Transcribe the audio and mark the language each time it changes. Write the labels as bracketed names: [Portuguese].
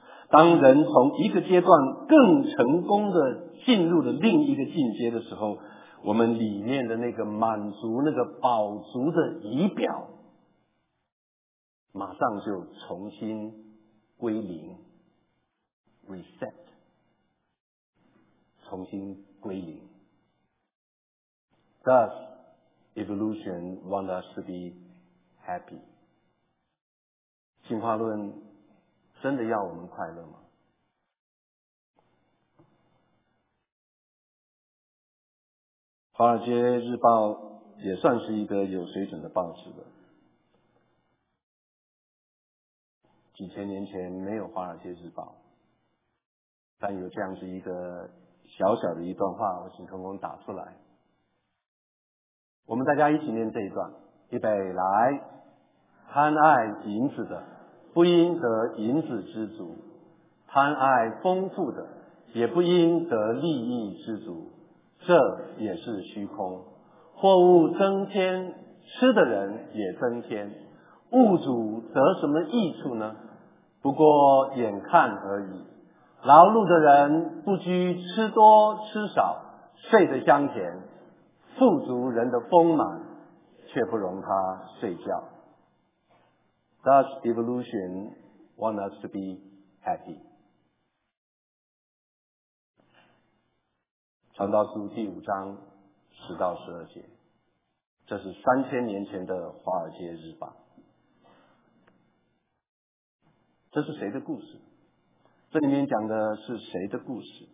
[Chinese] 当人从一个阶段更成功的进入了另一个进阶的时候，我们里面的那个满足、那个饱足的仪表，马上就重新归零 ，reset， 重新归零。 [English] Thus, evolution wants us to be happy. [Chinese] 进化论真的要我们快乐吗？华尔街日报也算是一个有水准的报纸了。几千年前没有华尔街日报，但有这样子一个小小的一段话，我请通通打出来。我们大家一起念这一段，预备，来。贪爱银子的不应得银子之足，贪爱丰富的也不应得利益之足，这也是虚空。货物增添，吃的人也增添，物主得什么益处呢？不过眼看而已。劳碌的人不拘吃多吃少，睡得香甜，富足人的丰满却不容他睡觉。 [English] Thus evolution want us to be happy. [Chinese] 传道书第五章十到十二节，这是三千年前的华尔街日报。这是谁的故事？这里面讲的是谁的故事？